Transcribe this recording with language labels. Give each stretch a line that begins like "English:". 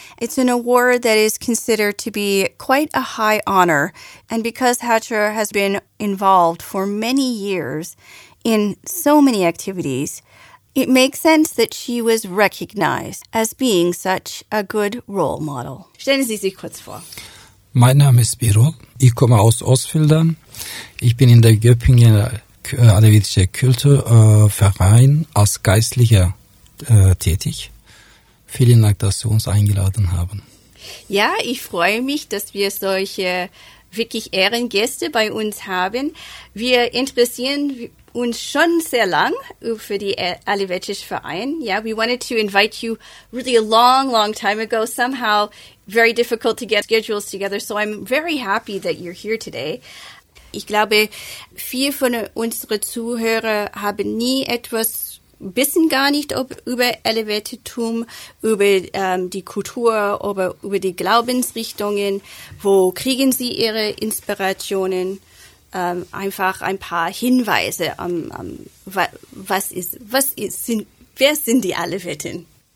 English: It's an award that is considered to be quite a high honor. And because Hatra has been involved for many years in so many activities, it makes sense that she was recognized as being such a good role model.
German: Stellen Sie sich kurz vor. Mein Name ist Biro. Ich komme aus Ostfildern. Ich bin in der Göppingen Alevitische Kulturverein als Geistlicher tätig. Vielen Dank, dass Sie uns eingeladen haben. Ja, ich freue mich, dass wir solche wirklich Ehrengäste bei uns haben. Wir interessieren uns schon sehr lang für die Alevitische Verein.
English: Yeah, we wanted to invite you really a long, long time ago. Somehow very difficult to get schedules together. So I'm very happy that you're here today.
German: Ich glaube, viele von unseren Zuhörern haben nie etwas, wissen gar nicht über Elevatetum, über die Kultur, über die Glaubensrichtungen. Wo kriegen sie ihre Inspirationen? Einfach ein paar Hinweise, wer sind die Aleveten?